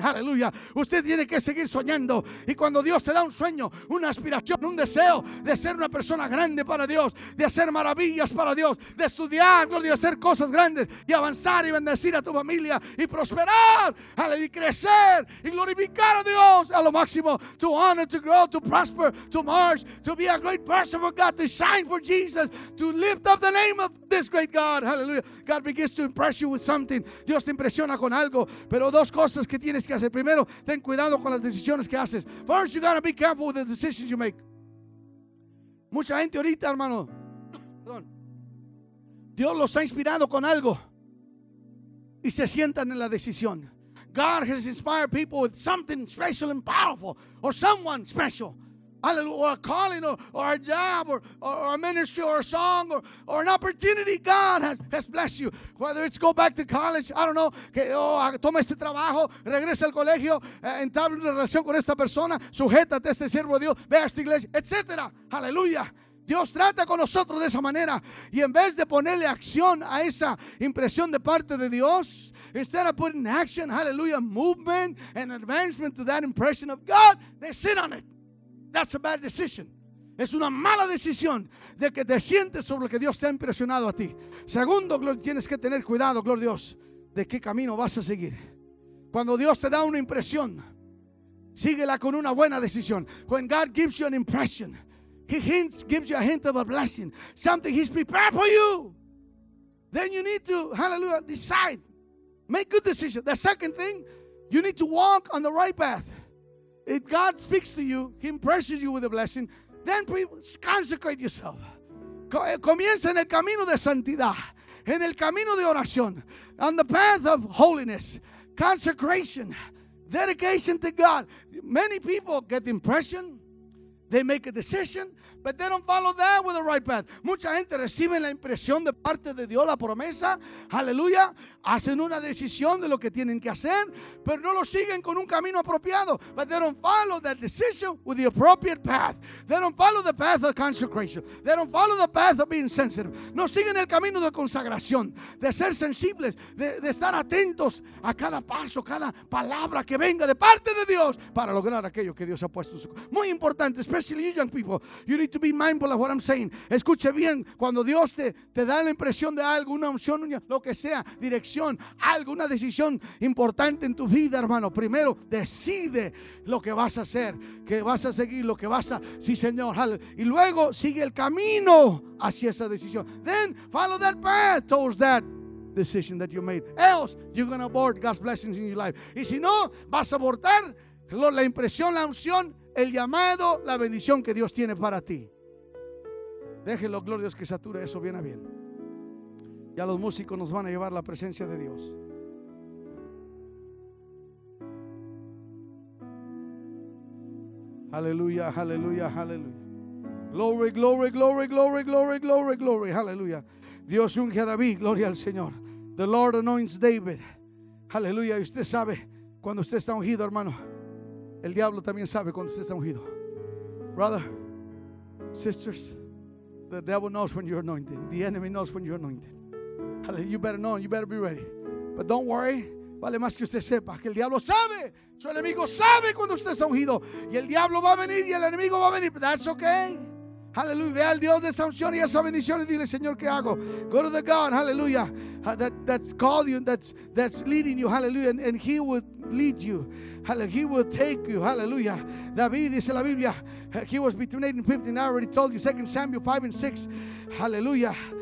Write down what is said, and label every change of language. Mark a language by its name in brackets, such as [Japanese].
[Spanish] Hallelujah. Usted tiene que seguir soñando y cuando Dios te da un sueño, una aspiración, un deseo de ser una persona grande para Dios, de hacer maravillas para Dios, de estudiar, gloria, de hacer cosas grandes y avanzar y bendecir a tu familia y prosperar, y crecer y glorificar a Dios a lo máximo, [English] to honor, to grow, to prosper, to march, to be a great person for God, to shine for Jesus, to lift up the name of this great God. Hallelujah. God begins to impress you with something. [Spanish] Dios te impresiona con algo, pero dos cosas que tienes que hacer. Primero, ten cuidado con las decisiones que haces. [English] First, you gotta be careful with the decisions you make. [Spanish] Mucha gente ahorita, hermano, perdón, Dios los ha inspirado con algo y se sientan en la decisión. [English] God has inspired people with something special and powerful, or someone special. Hallelujah. Or a calling, or a job, or a ministry, or a song, or an opportunity. God has blessed you. Whether it's go back to college, I don't know, [Spanish] que toma este trabajo, regresa al colegio, entable una relación con esta persona, sujétate a este siervo de Dios, ve a esta iglesia, etc. Hallelujah. Dios trata con nosotros de esa manera. Y en vez de ponerle acción a esa impresión de parte de Dios, [English] instead of putting action, hallelujah, movement and advancement to that impression of God, they sit on it. That's a bad decision. [Spanish] Es una mala decisión de que te sientes sobre lo que Dios te ha impresionado a ti. Segundo, tienes que tener cuidado, gloria a Dios, de qué camino vas a seguir. Cuando Dios te da una impresión, síguela con una buena decisión. [English] When God gives you an impression, he hints, gives you a hint of a blessing, something he's prepared for you, then you need to, hallelujah, decide. Make good decisions. The second thing, you need to walk on the right path. If God speaks to you, he impresses you with a blessing, then consecrate yourself. [Spanish] Comienza en el camino de santidad, en el camino de oración, [English] on the path of holiness, consecration, dedication to God. Many people get the impression, they make a decision, but they don't follow that with the right path. [Spanish] Mucha gente recibe la impresión de parte de Dios, la promesa, aleluya, hacen una decisión de lo que tienen que hacer, pero no lo siguen con un camino apropiado. [English] But they don't follow that decision with the appropriate path. They don't follow the path of consecration. They don't follow the path of being sensitive. [Spanish] No siguen el camino de consagración, de ser sensibles, de estar atentos a cada paso, cada palabra que venga de parte de Dios para lograr aquello que Dios ha puesto en su corazón. Muy importante, especialmente [English] especially you young people, you need to be mindful of what I'm saying. [Spanish] Escuche bien, cuando Dios te da la impresión de algo, una unción, lo que sea, dirección, algo, una decisión importante en tu vida, hermano, primero decide lo que vas a hacer, que vas a seguir, lo que vas a, sí señor, y luego sigue el camino hacia esa decisión. [English] Then follow that path towards that decision that you made. Else, you're going to abort God's blessings in your life. [Spanish] Y si no, vas a abortar la impresión, la unción, el llamado, la bendición que Dios tiene para ti. Déjelo, gloria a Dios, que sature eso bien a bien. Ya los músicos nos van a llevar la presencia de Dios. Aleluya, aleluya, aleluya. Glory, glory, glory, glory, glory, glory, glory. Aleluya. Dios unge a David, gloria al Señor. [English] The Lord anoints David. [Spanish] Aleluya. Y usted sabe cuando usted está ungido, hermano. El diablo también sabe cuando usted está ungido. [English] Brother, sisters, the devil knows when you're anointed. The enemy knows when you're anointed. Hallelujah. You better know. You better be ready. But don't worry. [Spanish] Vale más que usted sepa que el diablo sabe. Su enemigo sabe cuando usted está ungido. Y el diablo va a venir y el enemigo va a venir. [English] But that's okay. [Spanish] Hallelujah. Ve al Dios de esa unción y esa bendición y dile, Señor, ¿qué hago? [English] Go to the God, hallelujah, that's called you, that's leading you, hallelujah, and he would lead you. He will take you, hallelujah. David, [Spanish] dice la Biblia, [English] he was between 8 and 15, I already told you, 2 Samuel 5 and 6, hallelujah.